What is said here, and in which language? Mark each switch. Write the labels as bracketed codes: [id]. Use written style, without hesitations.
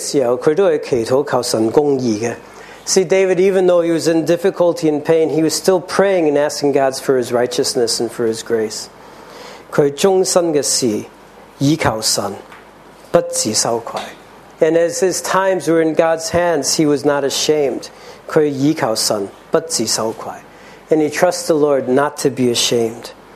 [zh] 大卫虽然是痛苦的时候，他都是祈祷求神公义的。See, [en] David, even though he was in difficulty and pain, he was still praying and asking God for his righteousness and for his grace. [zh] 他终身的事依靠神，不自羞愧。 [en] And as his times were in God's hands, he was not ashamed. [zh] 他依靠神，不自羞愧。 [en] And he trusts the Lord not to be ashamed.